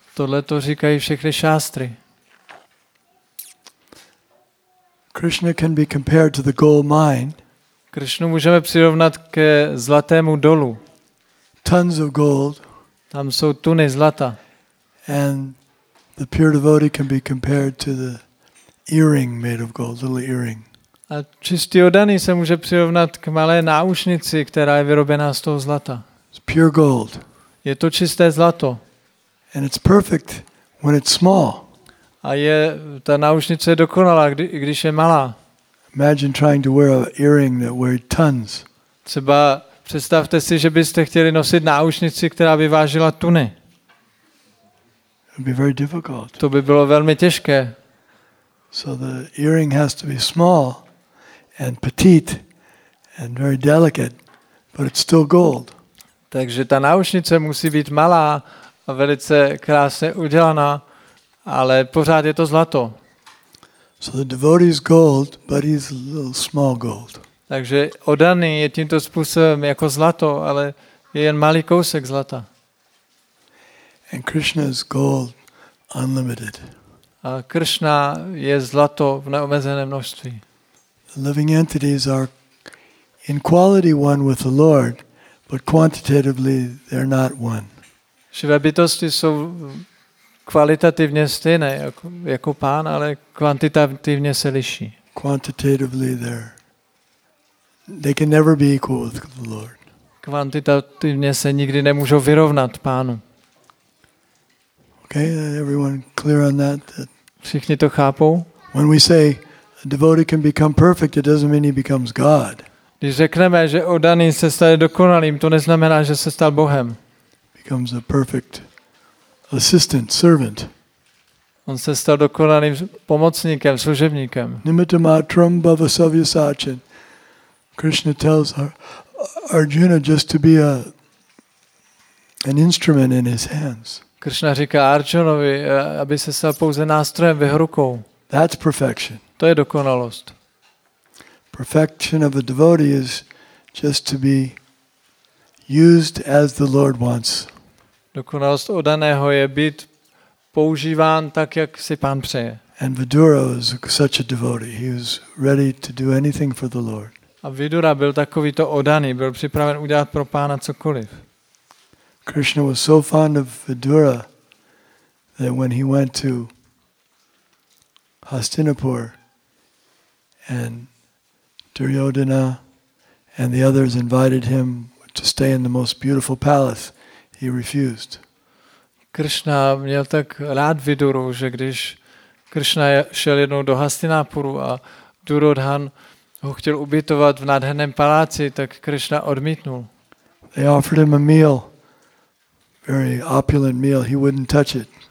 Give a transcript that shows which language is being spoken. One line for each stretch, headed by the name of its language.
Czech: Tohle to říkají všechny šástry.
English: Krishna can be compared to the gold mine.
Czech: Krishnu můžeme přirovnat ke zlatému dolu.
English: Tons of gold.
Czech: Tam jsou tuny zlata.
English: And the pure devotee can be compared to the earring made of gold, little earring.
Czech: A čistý oddaný se může přirovnat k malé náušnici, která je vyrobená z toho zlata.
English: It's pure gold.
Czech: Je to čisté zlato.
English: And it's perfect when it's small.
Czech: A je ta náušnice dokonalá, když je malá.
English: Imagine trying to wear an earring that weighs tons.
Czech: Třeba představte si, že byste chtěli nosit náušnici, která by vážila tuny.
English: It'd be very difficult.
Czech: To by bylo velmi těžké.
English: So the earring has to be small and petite and very delicate, but it's still gold.
Czech: Takže ta náušnice musí být malá a velice krásně udělaná, ale pořád je to zlato.
English: So the devotee is gold, but he's a little small gold.
Czech: Takže oddaný je tímto způsobem jako zlato, ale je jen malý kousek zlata.
English: And Krishna is gold unlimited.
Czech: A Krishna je zlato v neomezeném množství.
English: The living entities are in quality one with the Lord, but quantitatively they're not one.
Czech: Živé bytosti jsou kvalitativně stejné jako pán, ale kvantitativně se liší.
English: Quantitatively they can never be equal with the Lord.
Czech: Kvantitativně se nikdy nemůžou vyrovnat pánu.
English: Okay, everyone clear on that?
Czech: Všichni to chápou?
English: When we say A devotee can become perfect, it doesn't mean he becomes God.
Czech: Když řekneme, že oddaný se stane dokonalým, to neznamená, že se stal Bohem.
English: Becomes a perfect assistant, servant.
Czech: On se stal dokonalým pomocníkem, služebníkem.
Sanskrit: Nimittamātraṁ bhava savyasācin.
English: Krishna tells Arjuna just to be an instrument in his hands.
Czech: Krishna říká Arjunovi, aby se stal pouze nástrojem v jeho rukou.
English: That's perfection.
Czech: To je dokonalost.
English: Perfection of a devotee is just to be used as the Lord wants.
Czech: Dokonalost oddaného je být používán tak, jak si Pán přeje.
English: And Vidura is such a devotee. He was ready to do anything for the Lord.
Czech: A Vidura byl takovýto oddaný, byl připraven udělat pro Pána cokoliv.
English: Krishna was so fond of Vidura that when he went to Hastinapur and Duryodhana and the others invited him to stay in the most beautiful palace, he refused.
Czech: Krishna měl tak rád Viduru, že když Krishna šel jednou do Hastinapuru a Duryodhan ho chtěl ubytovat v nádherném paláci, tak Krishna odmítnul.
English: They offered him a meal, very opulent meal, he wouldn't touch it.